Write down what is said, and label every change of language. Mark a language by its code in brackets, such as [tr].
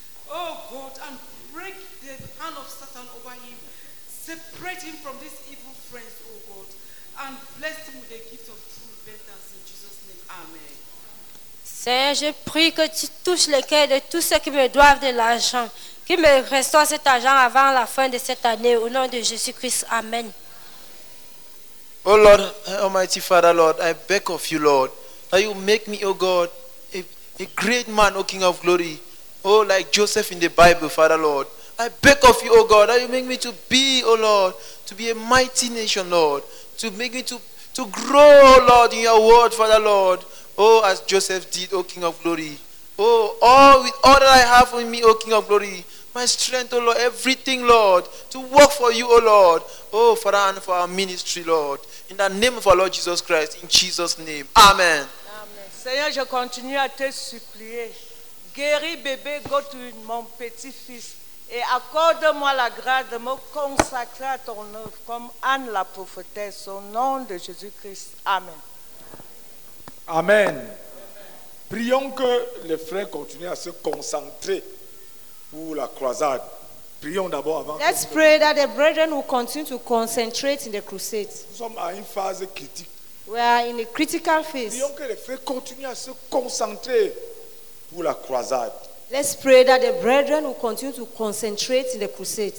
[en] Oh God, and break the hand of Satan over him. Separate him from these evil friends, oh God. And bless him with the gift of true repentance in Jesus' name. Amen. [fr] Seigneur, je prie que tu touches les cœurs de tous ceux qui me doivent de l'argent. Qu'il me restaure cet argent avant la fin de cette année. Au nom de Jésus-Christ. Amen. [en] Oh Lord, Almighty Father, Lord, I beg of you, Lord, that you make me, oh God, a great man, O King of Glory. Oh, like Joseph in the Bible, Father Lord. I beg of you, oh God, that you make me to be, oh Lord, to be a mighty nation, Lord. To make me to grow, oh Lord, in your word, Father Lord. Oh, as Joseph did, oh King of Glory. Oh, all with all that I have in me, oh King of Glory. My strength, oh Lord, everything, Lord, to work for you, oh Lord. Oh, Father, and for our ministry, Lord. In the name of our Lord Jesus Christ, in Jesus' name. Amen. [fr] Amen. Seigneur, je continue à te supplier. Guéris bébé Godwin, mon petit-fils, et accorde-moi la grâce de me consacrer à ton œuvre comme Anne la prophétesse, au nom de Jésus-Christ. Amen. Amen. Prions que les frères continuent à se concentrer pour la croisade. Prions d'abord avant. [en] Let's pray that the brethren will continue to concentrate in the crusade. [fr] Nous sommes à une phase critique. [en] We are in a critical phase. [fr] Prions que les frères continuent à se concentrer. La croisade. [en] Let's pray that the brethren will continue to concentrate in the crusade.